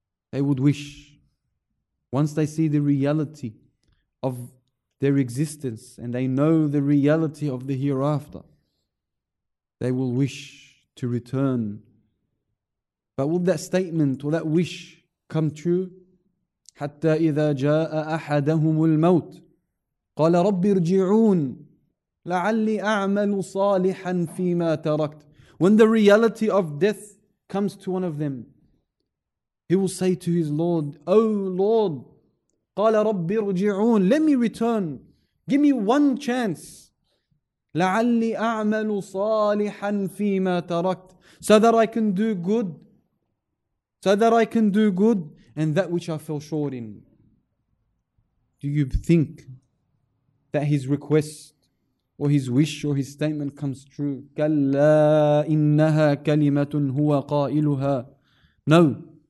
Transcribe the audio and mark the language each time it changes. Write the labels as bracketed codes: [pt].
[en] They would wish, once they see the reality of their existence and they know the reality of the hereafter, they will wish to return. But would that statement or that wish come true? [ar] حتى إذا جاء أحدهم الموت قال رب ارجعون لعلي أعمل صالحا فيما تركت. [en] When the reality of death comes to one of them, he will say to his Lord, oh Lord, [ar] قال رب ارجعون, [en] let me return Give me one chance. [ar] لعلي أعمل صالحا فيما تركت. [en] So that I can do good. So that I can do good and that which I fell short in. Do you think that his request or his wish or his statement comes true? [ar] كلا إنها كلمة هو قائلها. [en] No.